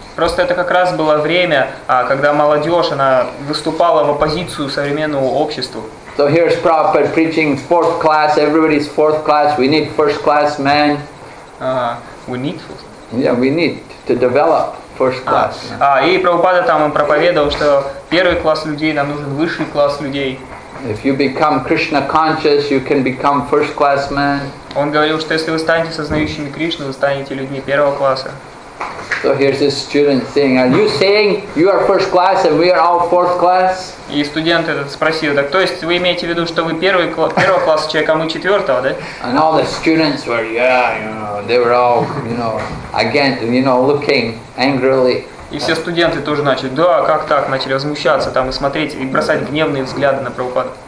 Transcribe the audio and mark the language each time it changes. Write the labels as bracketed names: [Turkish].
[Russian] Просто это как раз было время, когда молодежь, она выступала в оппозицию современному обществу. [English] So here's Prabhupada preaching fourth class, everybody's fourth class, we need first class men. We need to develop first class. [Russian] И Прабхупада там проповедовал, что первый класс людей, нам нужен высший класс людей. [English] If you become Krishna conscious, you can become first class man. [Russian] Он говорил, что если вы станете сознающими Кришну, вы станете людьми первого класса. [English] So here's this student saying, "Are you saying you are first class and we are all fourth class?" [Russian] И студент этот спросил: "Так, то есть вы имеете в виду, что вы первого класса человек, а мы четвертого, да?" [English] And all the students were, they were all, looking angrily. [Russian] И все студенты тоже начали: "Да, как так?" Начали возмущаться там и смотреть и бросать гневные взгляды на Прабхупаду.